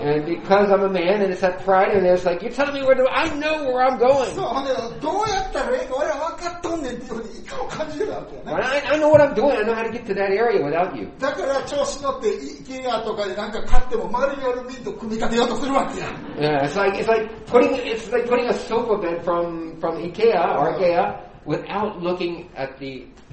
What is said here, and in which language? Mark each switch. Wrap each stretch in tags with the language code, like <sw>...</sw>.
<en>And because I'm a man and it's that pride and it's like, you're telling me where to, I know where I'm going.</en> <ja>そう、ほんで、どうやったらいいか俺ら分かっとんねんっていうふうに行こう感じたわけ</ja> <en>よ。I know what I'm doing. I know how to get to that area without you.</en> <ja>だから調子乗ってイケアとかでなんか買っても丸によるミント組み立てようとするわけや。</ja> <en>Yeah, it's like putting a sofa bed from Ikea or IKEA without looking at the</en>